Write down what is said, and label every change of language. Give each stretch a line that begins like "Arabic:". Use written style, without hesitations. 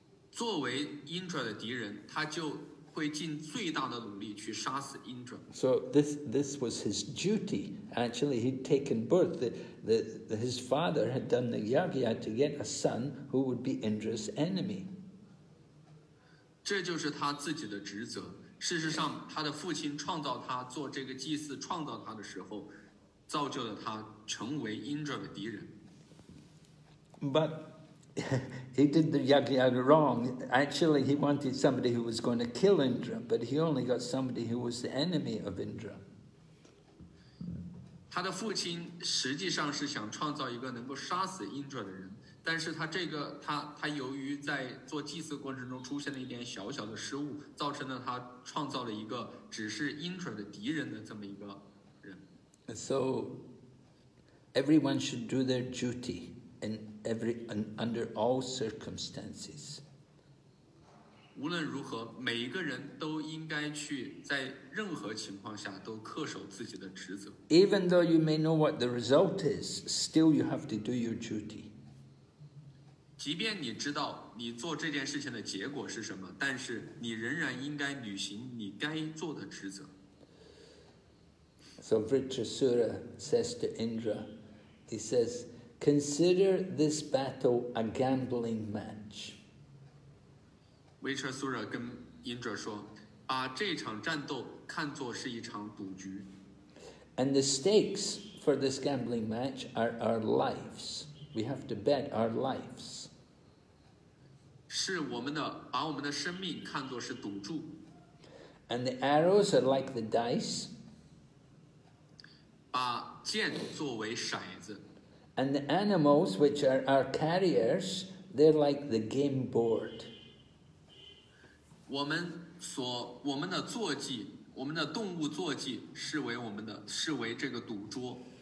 Chinese: 作为 Indra 的敌人，他就会尽最大的努力去杀死 Indra。
English: So this was his duty. Actually, he'd taken birth. His father had done the yagya to get a son who would be Indra's enemy.
Chinese: 这就是他自己的职责。事实上，他的父亲创造他做这个祭祀，创造他的时候，造就了他成为 Indra 的敌人。
English: But he did the yagya wrong. Actually, he wanted somebody who was going to kill Indra, but he only got somebody who was the enemy of Indra.
Chinese: 他的父亲实际上是想创造一个能够杀死 Indra 的人，但是他由于在做祭祀过程中出现了一点小小的失误，造成了他创造了一个只是 Indra 的敌人的这么一个人。
English: So everyone should do their duty in under all circumstances.
Chinese: 无论如何，每一个人都应该去在任何情况下都恪守自己的职责。
English: Even though you may know what the result is, still you have to do your duty.
Chinese: 即便你知道你做这件事情的结果是什么，但是你仍然应该履行你该做的职责。
English: So Vritrasura says to Indra, he says,Consider this battle a gambling match.
Chinese: Vritrasura 跟 Indra 说，把这场战斗看作是一场赌局。
English: And the stakes for this gambling match are our lives. We have to bet our lives.
Chinese: 是我们的，把我们的生命看作是赌注。
English: And the arrows are like the dice.
Chinese: 把剑作为骰子。
English: And the animals, which are our carriers, they're like the game board.
Chinese: 我们的坐骑，我们的动物坐骑，视为这个赌桌。